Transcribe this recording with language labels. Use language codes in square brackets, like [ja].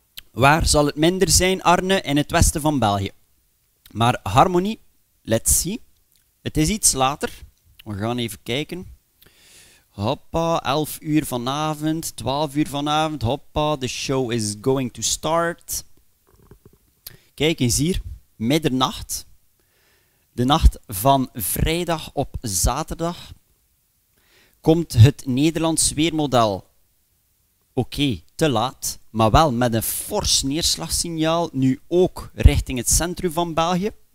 [nl] Waar zal het minder zijn, Arne, in het westen van België? Maar Harmony, [en] let's see. [nl] Het is iets later. We gaan even kijken. Hoppa, 11 uur vanavond, 12 uur vanavond. [en] Hoppa, the show is going to start. [nl] Kijk eens hier, middernacht. De nacht van vrijdag op zaterdag. Komt het Nederlands weermodel. Oké, te laat. Maar wel met een fors neerslagsignaal, nu ook richting het centrum van België.